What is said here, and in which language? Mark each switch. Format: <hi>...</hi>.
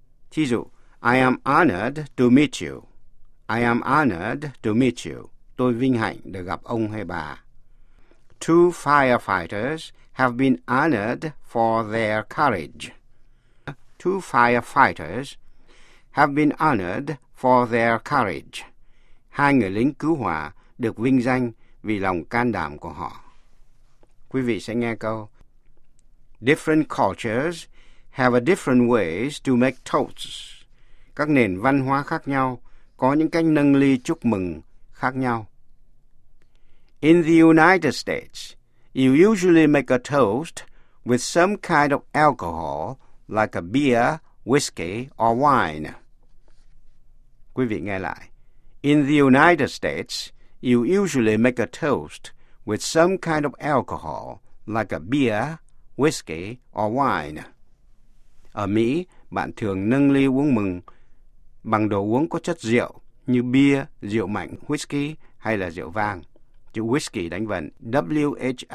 <vi>Thí dụ,</vi> <en>I am honored to meet you. I am honored to meet you.</en> <vi>Tôi vinh hạnh được gặp ông hay bà.</vi> <en>Two firefighters have been honored for their courage. Two firefighters have been honored for their courage.</en> <vi>Hai người lính cứu hỏa được vinh danh vì lòng can đảm của họ. Quý vị sẽ nghe câu.</vi> <en>Different cultures have a different ways to make toasts.</en> <vi>Các nền văn hóa khác nhau có những cách nâng ly chúc mừng khác nhau.</vi> <en>In the United States, you usually make a toast with some kind of alcohol like a beer, whiskey, or wine.</en> <vi>Quý vị nghe lại.</vi> <en>In the United States, you usually make a toast with some kind of alcohol, like a beer, whiskey, or wine.</en> <vi>Ở Mỹ, bạn thường nâng ly uống mừng bằng đồ uống có chất rượu như bia, rượu mạnh, whiskey hay là rượu vang. Chữ whiskey đánh vần W-H-I-S-K-Y.</vi>